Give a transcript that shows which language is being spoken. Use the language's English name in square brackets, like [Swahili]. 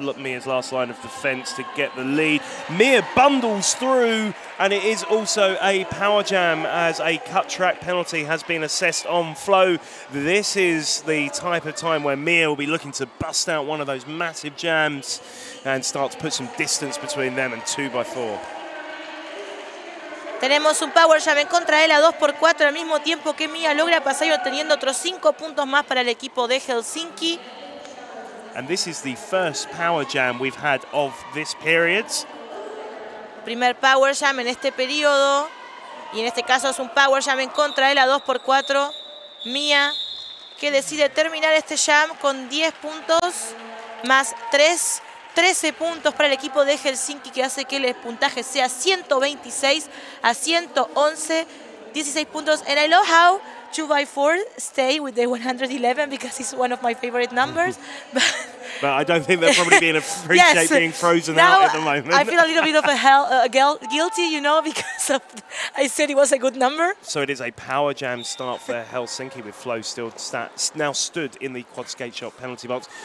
[English] Look, Mia's last line of defense to get the lead. Mia bundles through, and it is also a power jam as a cut track penalty has been assessed on Flo. This is the type of time where Mia will be looking to bust out one of those massive jams and start to put some distance between them and 2x4. [Spanish] Tenemos un power jam en contra de la 2x4 al mismo tiempo que Mia logra pasar y obteniendo otros 5 puntos más para el equipo de Helsinki. [English] And this is the first power jam we've had of this period. [Spanish] Primer power jam en este periodo. Y en este caso es un power jam en contra de la 2x4. Mia, que decide terminar este jam con 10 puntos más 3. 13 puntos para el equipo de Helsinki, que hace que el puntaje sea 126 a 111. 16 puntos. [English] And I love how 2x4 stay with the 111 because it's one of my favorite numbers. But I don't think they're probably being appreciated yes. being frozen now out at the moment. I feel a little bit of a hell, guilty, you know, because of, I said it was a good number. So it is a power jam start for Helsinki with Flo still now stood in the quad skate shop penalty box.